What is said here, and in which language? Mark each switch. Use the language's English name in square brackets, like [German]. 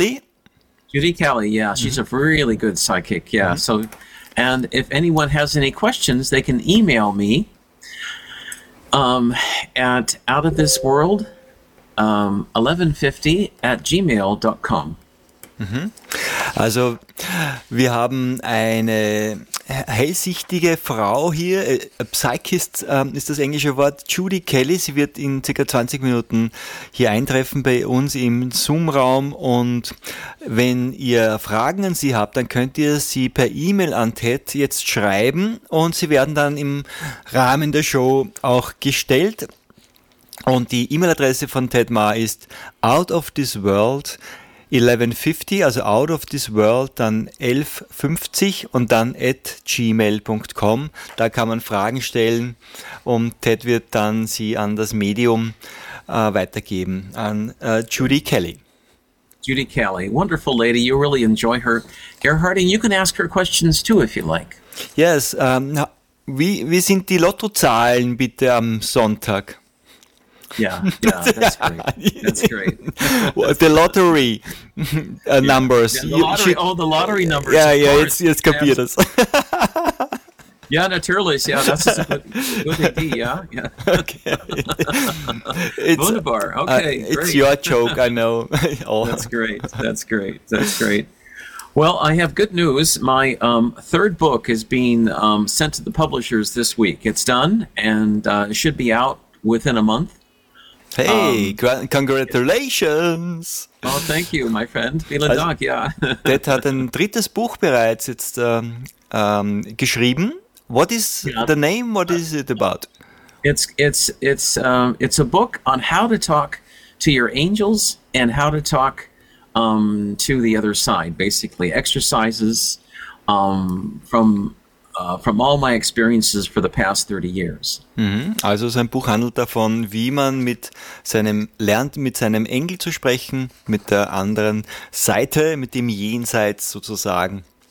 [English] Yeah. Judy Kelly, yeah. Mm-hmm. She's a really good psychic, yeah. Mm-hmm. So, and if anyone has any questions, they can email me at outofthisworld1150@gmail.com. Mhm. [German] Also, wir haben eine hellsichtige Frau hier, Psychist ist das englische Wort, Judy Kelly. Sie wird in ca. 20 Minuten hier eintreffen bei uns im Zoom-Raum. Und wenn ihr Fragen an sie habt, dann könnt ihr sie per E-Mail an Ted jetzt schreiben und sie werden dann im Rahmen der Show auch gestellt. Und die E-Mail-Adresse von Ted Ma ist outofthisworld1150@gmail.com. Da kann man Fragen stellen und Ted wird dann sie an das Medium weitergeben, an Judy Kelly. [English] Judy Kelly, wonderful lady, you really enjoy her. Gerhard, you can ask her questions too, if you like. Yes, [German] wie sind die Lottozahlen bitte am Sonntag? [English] Yeah, that's great. The lottery numbers. The lottery numbers. Yeah, yeah, it's computers. Yeah, [German] natürlich. [English] Yeah, that's a good idea. Yeah. Okay. It's, [German] Wunderbar. [English] Okay. It's great. Your joke, I know. That's great. Well, I have good news. My third book is being sent to the publishers this week. It's done, and it should be out within a month. Hey, congratulations! Oh, thank you, my friend. [German] Vielen also, Dank, ja. Ted hat ein drittes Buch bereits jetzt geschrieben. [English] What is the name? What is it about? It's a book on how to talk to your angels and how to talk to the other side, basically exercises from all my experiences for the past 30 years. Mm-hmm. [German] Also sein Buch handelt davon, wie man lernt mit seinem Engel zu sprechen, mit der anderen Seite, mit dem Jenseits sozusagen.